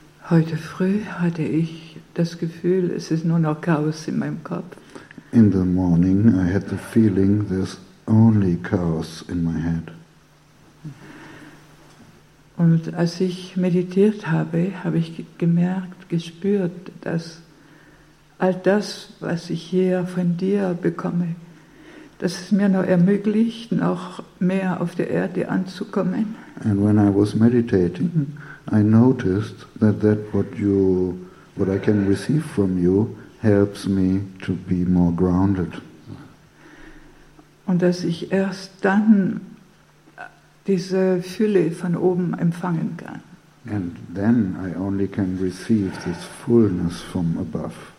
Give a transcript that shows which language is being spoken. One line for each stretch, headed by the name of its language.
German: Heute früh hatte ich das Gefühl, es ist nur noch Chaos in meinem Kopf.
English: In the morning I had the feeling there's only chaos in my head.
German: Und als ich meditiert habe, habe ich gemerkt, gespürt, dass all das, was ich hier von dir bekomme, dass es mir noch ermöglicht, noch mehr auf der Erde anzukommen.
English: And when I was meditating, I noticed that what I can receive from you helps me to be more grounded.
German: Und dass ich erst dann diese Fülle von oben empfangen kann.
English: And then I only can receive this fullness from above.